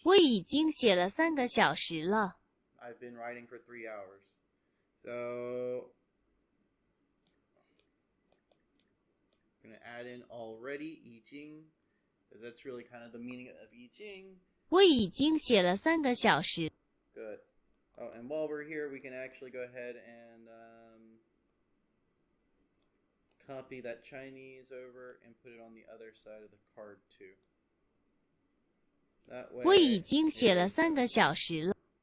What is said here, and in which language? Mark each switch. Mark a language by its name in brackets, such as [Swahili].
[Chinese] 我已经写了三个小时了. [English] I've been writing for 3 hours. So I'm going to add in already, 已经, because that's really kind of the meaning of 已经. [Chinese] 我已经写了三个小时. [English] Good. Oh, and while we're here, we can actually go ahead and copy that Chinese over and put it on the other side of the card, too. That way... [Chinese] 我已经写了三个小时了。